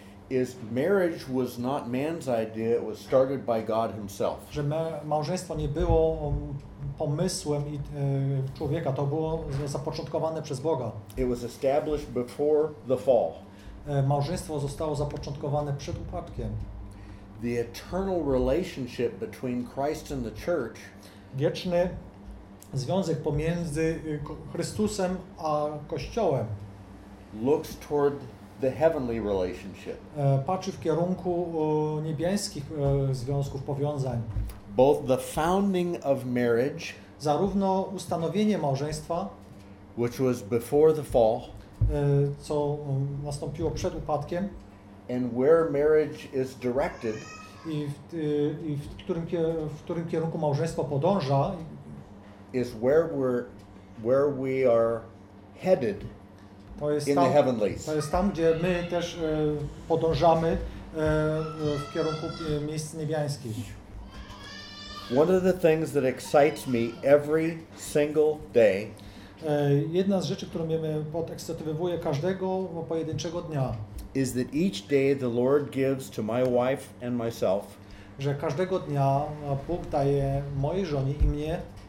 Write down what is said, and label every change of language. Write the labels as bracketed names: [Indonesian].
[English] is marriage was not man's idea, it was started by God himself. [Polish] Że małżeństwo nie było pomysłem człowieka, to było zapoczątkowane przez Boga. [English] It was established before the fall. [Polish] Małżeństwo zostało zapoczątkowane przed upadkiem. [English] The eternal relationship between Christ and the church, [Polish] wieczny związek pomiędzy Chrystusem a Kościołem, [English] looks toward the heavenly relationship, [Polish] patrzy w kierunku niebiańskich związków, powiązań. [English] Both the founding of marriage, [Polish] zarówno ustanowienie małżeństwa, [English] which was before the fall, [Polish] co nastąpiło przed upadkiem, [English] and where marriage is directed, [Polish] I w którym kierunku małżeństwo podąża, [English] is where we are headed in the heavenlies. [Polish] To jest tam, gdzie my też podążamy w kierunku miejsc niebiańskich. [English] One of the things that excites me every single day, [Polish] jedna z rzeczy, którą mnie podekscytowuje każdego pojedynczego dnia, [English] is that each day the Lord gives to my wife and myself, [Polish] że każdego dnia Bóg daje mojej żonie i mnie,